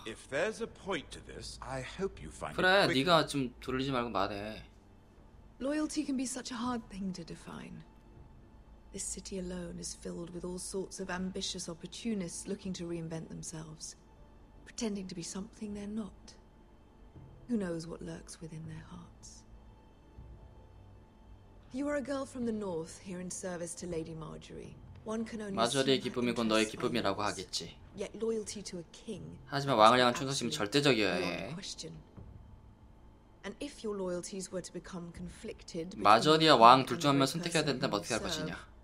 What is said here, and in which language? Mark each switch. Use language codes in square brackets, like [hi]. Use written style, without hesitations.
[en] If there's a point to this, I hope you find. [ko] 그래, 네가 좀 돌리지 말고 말해. [en] Loyalty can be such a hard thing to define. This city alone is filled with all sorts of ambitious opportunists looking to reinvent themselves, pretending to be something they're not. Who knows what lurks within their hearts? You are a girl from the north, here in service to Lady Marjorie. One can only. [ko] 마저리의 기쁨이 곧 너의 기쁨이라고 하겠지. [en] Yet loyalty to a king. [ko] 하지만 왕을 향한 충성심은 절대적이어야 해. [en] And if your loyalties were to become conflicted, [ko] 마저리와 왕 둘 중 한 명 선택해야 된다면 어떻게 할 것이냐?